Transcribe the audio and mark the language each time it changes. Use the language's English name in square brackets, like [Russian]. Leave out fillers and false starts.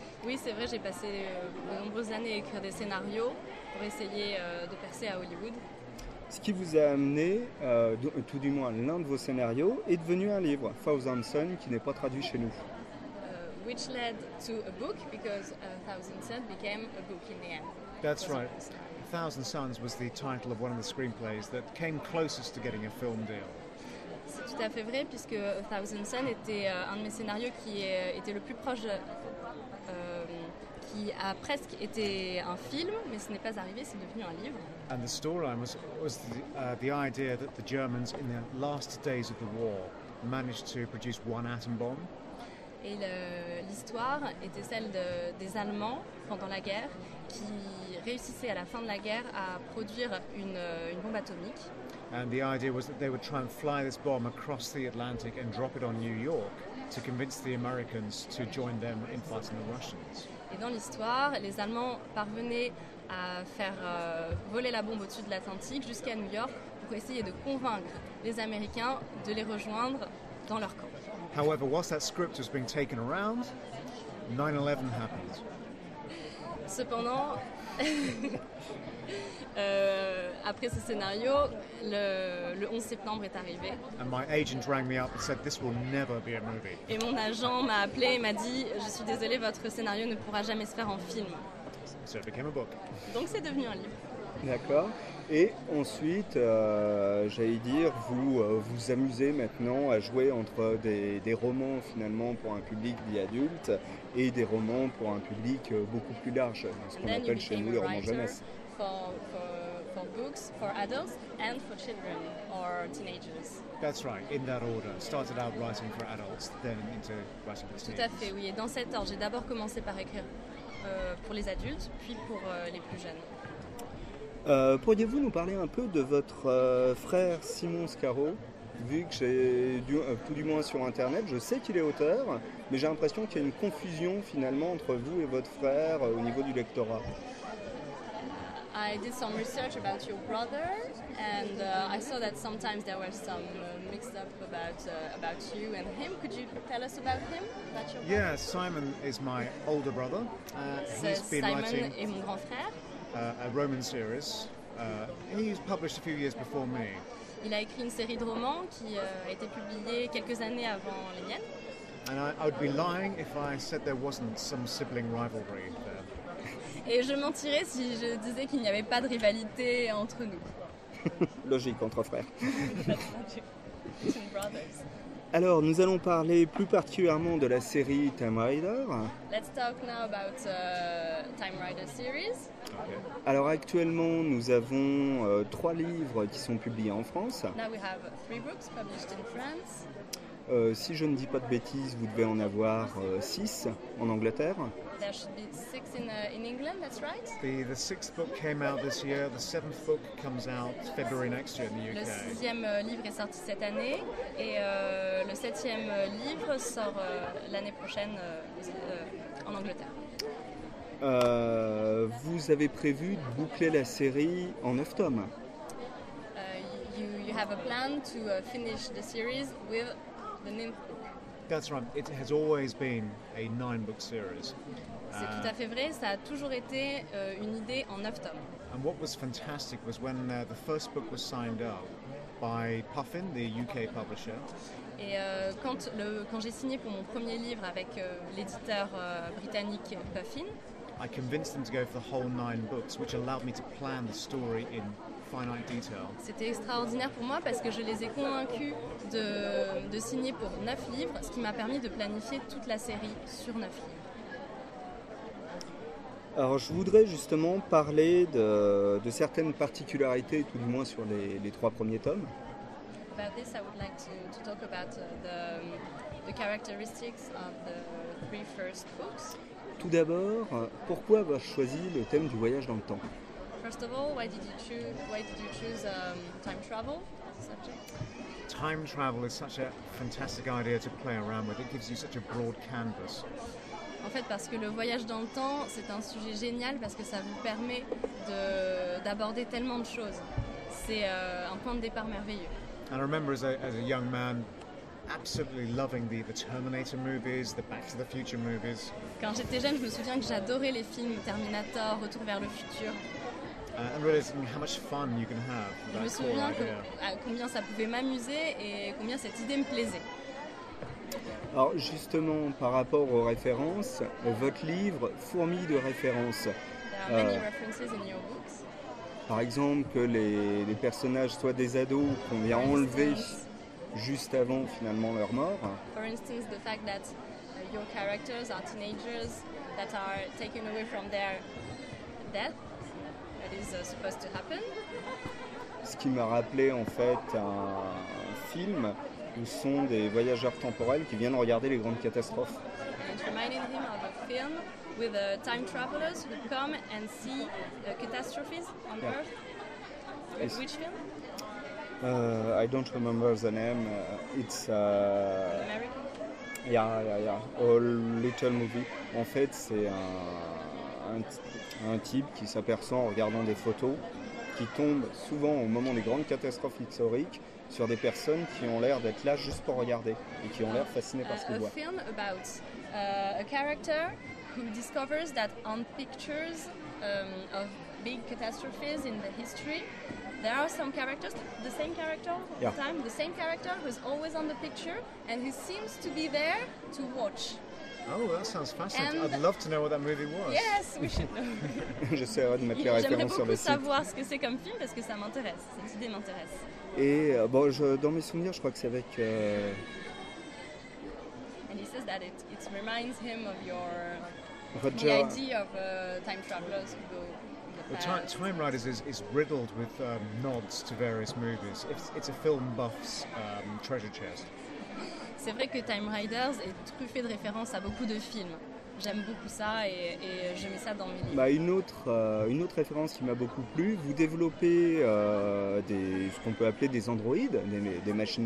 [French] Oui, c'est vrai, j'ai passé de nombreuses années à écrire des scénarios pour essayer de percer à Hollywood. Ce qui vous a amené, tout du moins l'un de vos scénarios, est devenu un livre, Thousand Sun, qui n'est pas traduit chez nous. [English] Which led to a book, because Thousand Sun became a book in the end. That's right. Thousand Suns was the title of one of the screenplays that came closest to getting a film deal. [French] C'est tout à fait vrai, puisque A Thousand Sun était un de mes scénarios qui était le plus proche, qui a presque été un film, mais ce n'est pas arrivé, c'est devenu un livre. [English] And the storyline was the idea that the Germans, in the last days of the war, managed to produce one atom bomb. [French] Et l'histoire était celle des Allemands, pendant la guerre, qui réussissaient à la fin de la guerre à produire une bombe atomique. [English] And the idea was that they would try and fly this bomb across the Atlantic and drop it on New York to convince the Americans to join them in fighting the Russians. [French] Et dans l'histoire, les Allemands parvenaient à faire voler la bombe au-dessus de l'Atlantique jusqu'à New York pour essayer de convaincre les Américains de les rejoindre dans leur camp. [English] However, whilst that script was being taken around, 9/11 happened. [French] Cependant, après ce scénario, le 11 septembre est arrivé. [English] And my agent rang me up and said this will never be a movie. [French] Et mon agent m'a appelé et m'a dit je suis désolé, votre scénario ne pourra jamais se faire en film. [English] So it became a book. [French] Donc c'est devenu un livre. D'accord. Et ensuite, j'allais dire, vous vous amusez maintenant à jouer entre des romans finalement pour un public dit adulte et des romans pour un public beaucoup plus large, ce qu'on appelle chez nous les romans jeunesse. [English] For books for adults and for children or teenagers. That's right, in that order. Started out writing for adults, then into writing for teenagers. [French] Tout à fait, oui. Et dans cet ordre, j'ai d'abord commencé par écrire pour les adultes, puis pour les plus jeunes. Pourriez-vous nous parler un peu de votre frère Simon Scarrow, vu que j'ai, tout du moins sur Internet, je sais qu'il est auteur, mais j'ai l'impression qu'il y a une confusion finalement entre vous et votre frère au niveau du lectorat. [English] I did some research about your brother, and I saw that sometimes there were some mixed up about you and him. Could you tell us about him, about your brother? Yeah, Simon is my older brother. He's been [French] Simon [English] writing [French] est mon grand frère. [English] A Roman series. He's published a few years before me. [French] Il a écrit une série de romans qui a été publiée quelques années avant les miennes. [English] And I would be lying if I said there wasn't some sibling rivalry there. [French] Et je mentirais si je disais qu'il n'y avait pas de rivalité entre nous. Logique, entre frères. [English] Between brothers. [French] Alors, nous allons parler plus particulièrement de la série Time Rider. [English] Let's talk now about the Time Rider series. Okay. [French] Alors, actuellement, nous avons trois livres qui sont publiés en France. [English] Now we have three books published in France. [French] Si je ne dis pas de bêtises, vous devez en avoir six en Angleterre. [English] There should be six in England, that's right. The sixth book came out this year. The seventh book comes out February next year in the UK. [French] Le sixième livre est sorti cette année et le septième livre sort l'année prochaine en Angleterre. Vous avez prévu de boucler la série en 9 tomes. [English] You have a plan to finish the series with the ninth book. That's right. It has always been a 9-book series. [French] C'est tout à fait vrai. Ça a toujours été une idée en 9 tomes. [English] And what was fantastic was when the first book was signed up by Puffin, the UK publisher. [French] Et quand j'ai signé pour mon premier livre avec l'éditeur britannique Puffin, [English] I convinced them to go for the whole 9 books, which allowed me to plan the story in finite detail. [French] C'était extraordinaire pour moi parce que je les ai convaincus de signer pour 9 livres, ce qui m'a permis de planifier toute la série sur 9 livres. Alors, je voudrais justement parler de certaines particularités, tout du moins sur les trois premiers tomes. [English] About this, I would like to talk about the characteristics of the three first books. [French] Tout d'abord, pourquoi avoir choisi le thème du voyage dans le temps? [English] First of all, why did you choose time travel subject? Time travel is such a fantastic idea to play around with. It gives you such a broad canvas. [French] En fait, parce que le voyage dans le temps, c'est un sujet génial parce que ça vous permet d'aborder tellement de choses. C'est un point de départ merveilleux. [English] And I remember as a young man, absolutely loving the Terminator movies, the Back to the Future movies. [French] Quand j'étais jeune, je me souviens que j'adorais les films Terminator, Retour vers le futur. [English] And realizing how much fun you can have. [French] Je me souviens combien ça pouvait m'amuser et combien cette idée me plaisait. Alors justement, par rapport aux références, votre livre fourmille de références. [English] There are many references in your books. [French] Par exemple, que les personnages soient des ados qu'on vient enlever juste avant finalement leur mort. [English] For instance, the fact that your characters are teenagers that are taken away from their death that is supposed to happen. [French] Ce qui m'a rappelé en fait un film où sont des voyageurs temporels qui viennent regarder les grandes catastrophes. [English] And it reminded him of a film with time travelers who come and see catastrophes on yeah. Earth. Yes. Which film? I don't remember the name. It's American? Yeah. A little movie. [French] En fait, c'est un type qui s'aperçoit en regardant des photos qui tombe souvent au moment des grandes catastrophes historiques sur des personnes qui ont l'air d'être là juste pour regarder et qui ont l'air fascinées par ce qu'ils voient. [English] A film about a character who discovers that on pictures of big catastrophes in the history, there are some characters, the same character all the time, the same character who's always on the picture and who seems to be there to watch. Oh, that sounds fascinating. And I'd love to know what that movie was. Yes, we should know. [French] J'essaierai de mettre les références sur le site. J'aimerais beaucoup savoir ce que c'est comme film parce que ça m'intéresse. Cette idée m'intéresse. Et bon, dans mes souvenirs, je crois que c'est avec. [English] And he says that it reminds him of your Roger. The idea of time travelers who go. Time Riders is riddled with nods to various movies. It's a film buff's treasure chest. [French] C'est vrai que Time Riders est truffé de références à beaucoup de films. J'aime beaucoup ça et je mets ça dans mes livres. Bah une autre référence qui m'a beaucoup plu, vous développez ce qu'on peut appeler des androïdes, des machines